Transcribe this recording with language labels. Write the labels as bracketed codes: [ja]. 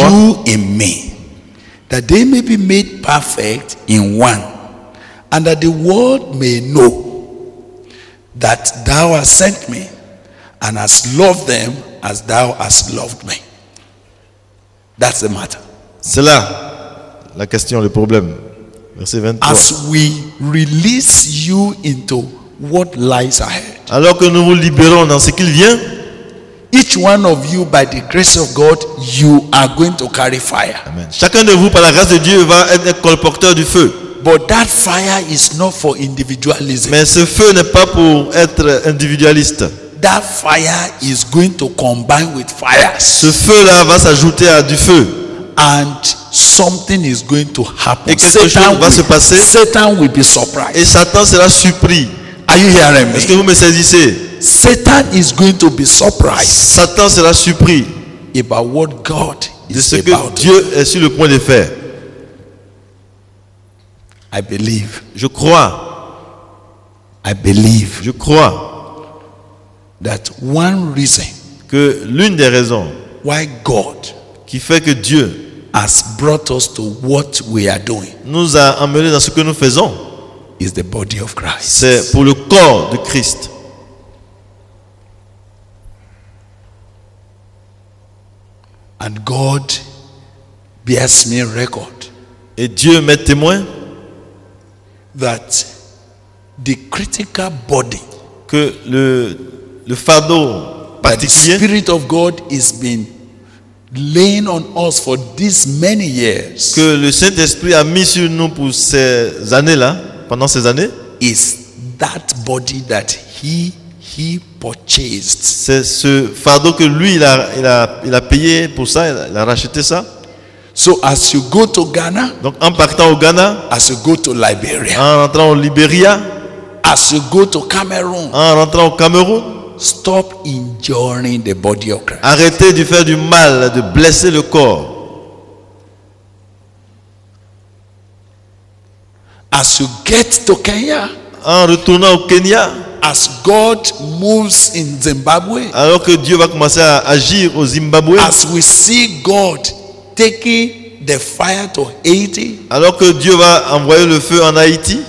[en] You in me, that they may be made perfect in one, and that the world may know that thou hast sent me and hast loved them as thou hast loved me. That's the matter. [fr] C'est là la question, le problème. Verset 23. [en] As we release you into what lies ahead. [fr] Alors que nous vous libérons dans ce qu'il vient. [en] Each one of you, by the grace of God, you are going to carry fire. Amen. [fr] Chacun de vous, par la grâce de Dieu, va être un colporteur du feu. [en] But that fire is not for individualism. [fr] Mais ce feu n'est pas pour être individualiste. [en] That fire is going to combine with fires. [fr] Ce feu-là va s'ajouter à du feu. [en] And something is going to happen. [fr] Et quelque chose va se passer. [en] Satan will be surprised. [fr] Et Satan sera surpris. [en] Are you hearing me? [fr] Est-ce que vous me saisissez? [en] Satan is going to be surprised. [fr] Satan sera surpris. [en] About what God is about. [fr] De ce que Dieu est sur le point de faire. [en] I believe. [fr] Je crois. [en] I believe. [fr] Je crois. [en] That one reason. [fr] Que l'une des raisons. [en] Why God. [fr] Qui fait que Dieu. [en] Has brought us to what we are doing. [fr] Nous a emmené dans ce que nous faisons. [en] Is the body of Christ. [fr] C'est pour le corps de Christ. [en] And God bears me record. [fr] Et Dieu m'est témoin. [en] That the critical body. [fr] Que le fardeau particulier. [en] The Spirit of God is being laying on us for these many years. [fr] Que le Saint-Esprit a mis sur nous pour ces années-là. Pendant ces années. [en] Is that body that he purchased. [fr] C'est ce fardeau que lui il a payé pour ça, il a racheté ça. [en] So as you go to Ghana, [fr] donc en partant au Ghana, [en] as you go to Liberia, [fr] en rentrant au Liberia, [en] as you go to Cameroon, [fr] en rentrant au Cameroun, [en] stop injuring the body of Christ. [fr] Arrêtez de faire du mal, de blesser le corps. [en] As you get to Kenya, [fr] en retournant au Kenya. [en] As God moves in Zimbabwe, [fr] alors que Dieu va commencer à agir au Zimbabwe. [en] As we see God taking the fire to Haiti, [fr] alors que Dieu va envoyer le feu en Haïti.